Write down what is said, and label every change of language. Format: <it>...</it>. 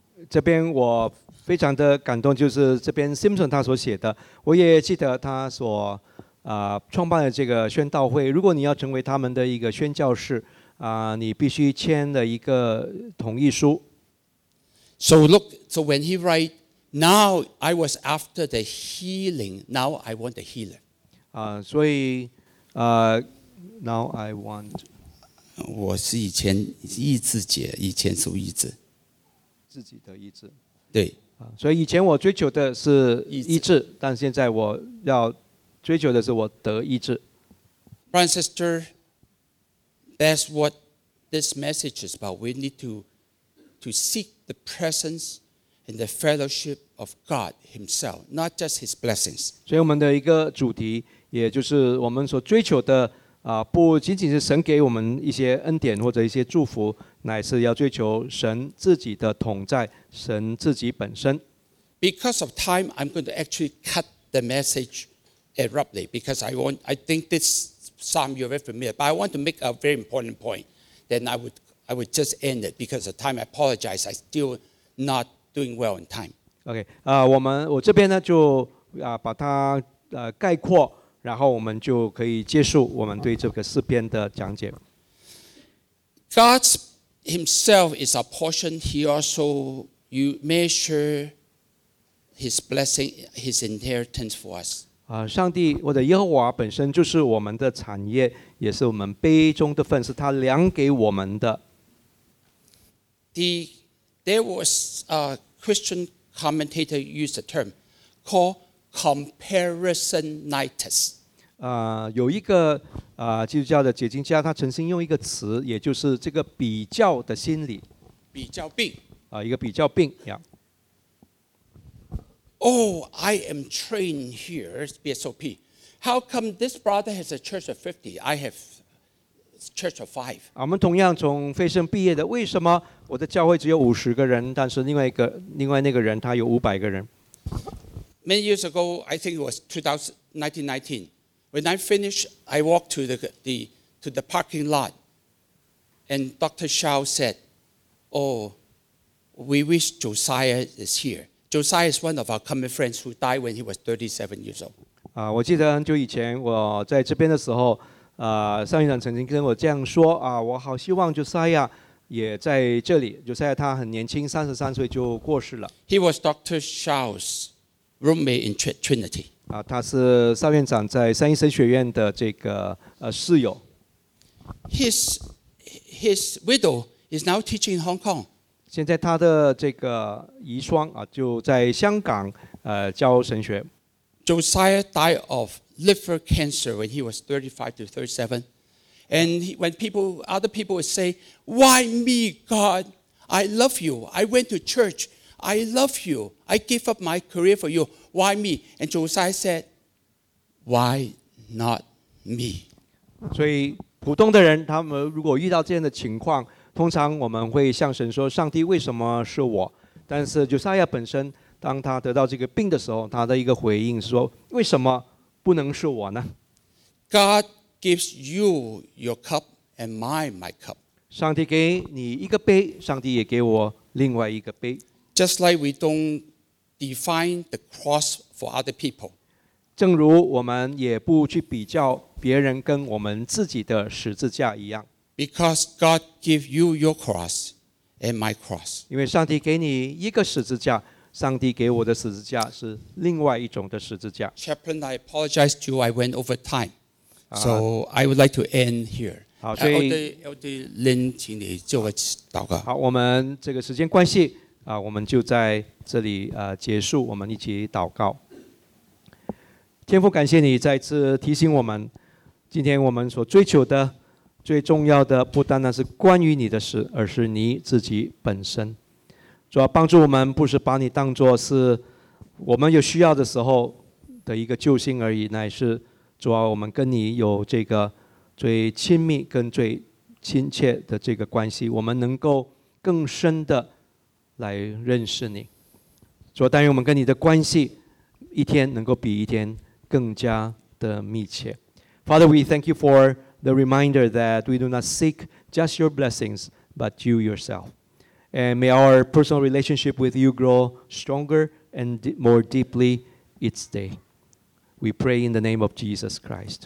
<zh>这边我非常的感动，就是这边 Simpson 他所写的，我也记得他所创办的这个宣道会。如果你要成为他们的一个宣教士你必须签了一个同意书。</zh> <en>So look, so when he write, now I was after the healing, now I want the healer.</en> <zh>所以</zh> <en>Now I want.</en> <zh>我是以前医自己，以前是医治自己的医治。对，所以以前我追求的是医治，但现在我要追求的是我得医治。</zh> <en>Brother sister, that's what this message is about. We need to seek the presence and the fellowship of God Himself, not just His blessings.</en> <zh>所以我们的一个主题，也就是我们所追求的。不仅仅是神给我们一些恩典或者一些祝福，乃是要追求神自己的同在，神自己本身。</zh> <en>Because of time, I'm going to actually cut the message abruptly because I think this psalm you're very familiar. But I want to make a very important point. Then I would just end it because of time. I apologize. I'm still not doing well in time. Okay.</en> <zh>我这边呢就把它概括，然后我们就可以结束我们对这个诗篇的讲解。</zh> <en>God Himself is a portion. He also you measure His blessing, His inheritance for us.</en> <zh>上帝，我的耶和华本身就是我们的产业，也是我们杯中的份，是他量给我们的。</zh> <en>There was a Christian commentator used a term called comparisonitis.</en> <zh>有一个基督教的解经家，他曾经用一个词，也就是这个比较的心理，比较病一个比较病、yeah.</zh> <en>Oh, I am trained here, BSOP. How come this brother has a church of 50? I have church of 5.</en> <zh>我们同样从飞升毕业的，为什么我的教会只有50个人，但是另外那个人他有500个人？</zh> <en>Many years ago, I think it was 2019. When I finished, I walked to the parking lot, and Dr. Shao said, "Oh, we wish Josiah is here." Josiah is one of our common friends who died when he was 37 years old.</en> <zh>我记得很久以前我在这边的时候，上院长曾经跟我这样说我好希望 Josiah 也在这里。 Josiah 他很年轻，33岁就过世了。</zh> <en>He was Dr. Shao's roommate in Trinity.</en> <zh>他是上院长在三一神学院的这个室友。</zh> <en>His widow is now teaching in Hong Kong.</en> <zh>现在他的这个遗孀就在香港教神学。</zh> <en>Josiah died of liver cancer when he was 35 to 37. And when other people would say, "Why me, God? I love you. I went to church. I love you. I gave up my career for you. Why me?" And Josiah said, "Why not me?"</en> <zh>所以普通的人，他们如果遇到这样的情况，通常我们会向神说，上帝为什么是我？但是约瑟亚本身，当他得到这个病的时候，他的一个回应是说，为什么不能是我呢？</zh> <en>God gives you your cup and mine my cup.</en> <zh>上帝给你一个杯，上帝也给我另外一个杯。</zh> <en>Just like we don't define the cross for other people.</en> <zh>正如我们也不去比较别人跟我们自己的十字架一样。</zh> <en>Because God gave you your cross and my cross.</en> <zh>因为上帝给你一个十字架，上帝给我的十字架是另外一种的十字架。</zh> <en>Chaplain, I apologize to you. I went over time, so I would like to end here.</en> <zh>好，所以 Elder Lin, 请你做个祷告。好，我们这个时间关系我们就在这里结束。我们一起祷告。天父，感谢你再次提醒我们，今天我们所追求的。最重要的不单单是关于你的事，而是你自己本身。主要帮助我们，不是把你当作是我们有需要的时候的一个救星而已，乃是主要我们跟你有这个最亲密跟最亲切的这个关系，我们能够更深的来认识你。主要但愿我们跟你的关系一天能够比一天更加的密切。</zh> <en>Father, we thank you for. The reminder that we do not seek just your blessings, but you yourself. And may our personal relationship with you grow stronger and more deeply each day. We pray in the name of Jesus Christ.</en>